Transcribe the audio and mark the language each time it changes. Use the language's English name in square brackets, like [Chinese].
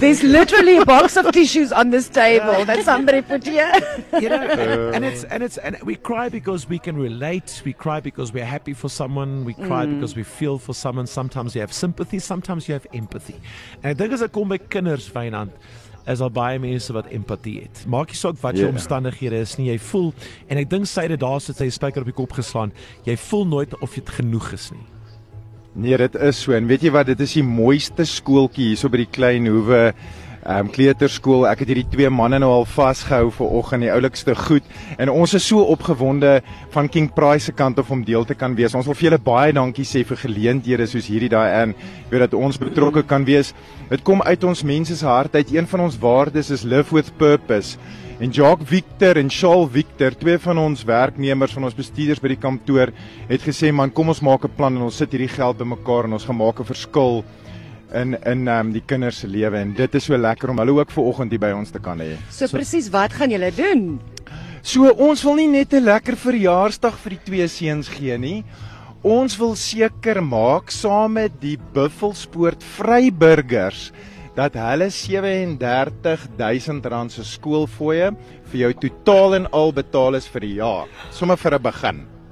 [English] There's literally a box of tissues on this table that somebody put here. You know, and we cry because we can relate. We cry because we're happy for someone. We cry because we feel for someone. Sometimes you have sympathy, sometimes you have empathy. [Afrikaans] En ek dink as ek kom by kinders, Wynand, is al baie mense wat empatie het. Maak jy saak wat jou omstandighede is nie, jy voel, en ek dink sy het daar sit sy spyker op die kop geslaan, jy voel nooit of jy het genoeg is nie. Nee, dit is so, en weet jy wat, dit is die mooiste skoolkie hier so by die klein hoeve kleuterskool, ek het hierdie twee manne nou al vasgehou vir oggend, die oulikste goed, en ons is so opgewonde van King Price se kant of om deel te kan wees. Ons wil vir julle baie dankie sê vir geleenthede soos hierdie daai en weet dat ons betrokke kan wees. Dit kom uit ons mense se hart uit, een van ons waardes is [English] live with purpose. [Afrikaans] En Jacques Victor en Charles Victor, twee van ons werknemers, van ons bestuurders by die kantoor, het gesê, man, kom ons maak 'n plan en ons sit hierdie geld bymekaar en ons gaan maak 'n verskil in die kinders se lewe, en dit is so lekker om hulle ook vanoggend hier by ons te kan hê. So presies, wat gaan julle doen? So ons wil nie net 'n lekker verjaarsdag vir die twee seuns gee nie. Ons wil seker maak saam met die Buffelspoort Vryburgers dat hulle R37,000 se skoolfooie vir jou totaal en al betaal is vir die jaar, sommer vir 'n begin.